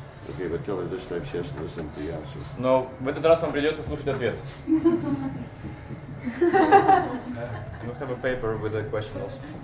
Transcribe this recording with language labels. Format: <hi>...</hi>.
<en>Okay, but tell her this time she has to listen to the answer.</en> <ru>Но в этот раз вам придется слушать ответ.</ru> <en>We have a paper with a question also.</en>